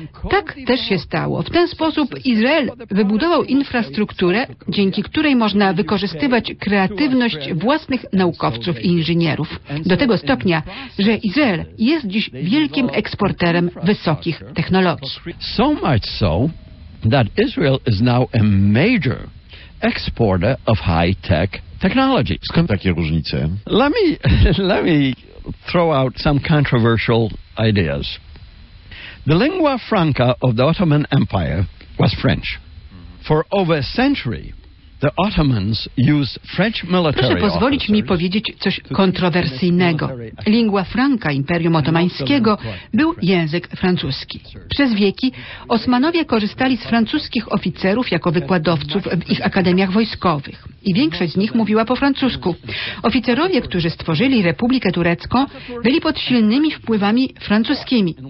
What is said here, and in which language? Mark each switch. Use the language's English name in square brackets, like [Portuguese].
[Polish] Tak też się stało. W ten sposób Izrael wybudował infrastrukturę, dzięki której można wykorzystywać kreatywność własnych naukowców i inżynierów. Do tego stopnia, że Izrael jest dziś wielkim eksporterem wysokich technologii. [English] So much so that Israel is now a major exporter of high-tech technology. [Polish] Skąd takie różnice? [English] Let me throw out some controversial ideas. The lingua franca of the Ottoman Empire was French. For over a century, the Ottomans used French military officers. [Polish] Proszę pozwolić mi powiedzieć coś kontrowersyjnego. Lingua franca Imperium Otomańskiego był język francuski. Przez wieki Osmanowie korzystali z francuskich oficerów jako wykładowców w ich akademiach wojskowych. I większość z nich mówiła po francusku. Oficerowie, którzy stworzyli Republikę Turecką, byli pod silnymi wpływami francuskimi.